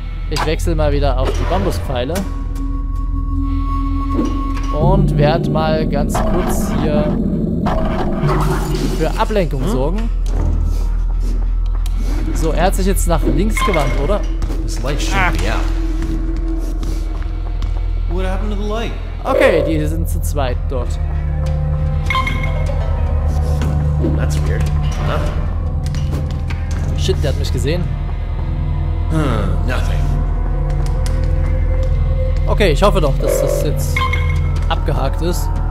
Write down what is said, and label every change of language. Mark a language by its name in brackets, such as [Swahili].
[German] Ich wechsle mal wieder auf die Bambuspfeile. Und werde mal ganz kurz hier für Ablenkung sorgen. So, er hat sich jetzt nach links gewandt, oder? [English] This light should be out. What happened to the light? [German] Okay, die sind zu zweit dort. [English] That's weird. Huh? [German] Shit, der hat mich gesehen. [English] Nothing. [German] Okay, ich hoffe doch, dass das jetzt abgehakt ist.